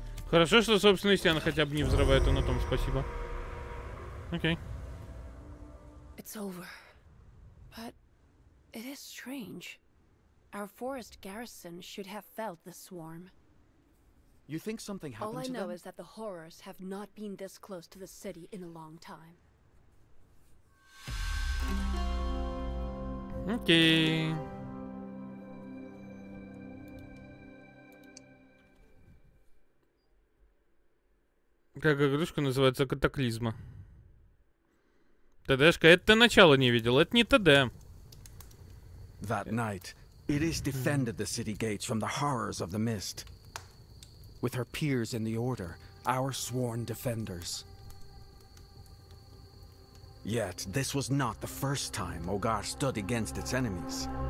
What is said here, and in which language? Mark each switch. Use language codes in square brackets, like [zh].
[ru] Хорошо, что собственные стены хотя бы не взрывают, а на том спасибо. Окей. [en] It's over. But it is strange. Our forest garrison should have felt the swarm. You think something happened to them? All I know is that the horrors have not been this close to the city in a long time. [ru] Окей. Как игрушка называется? Катаклизма. ТДшка, это ты начало не видел, это не ТД. [en] That night, Iris defended the city gates from the horrors of the mist. With her peers in the order, our sworn defenders. Yet, this was not the first time Ogar stood against its enemies.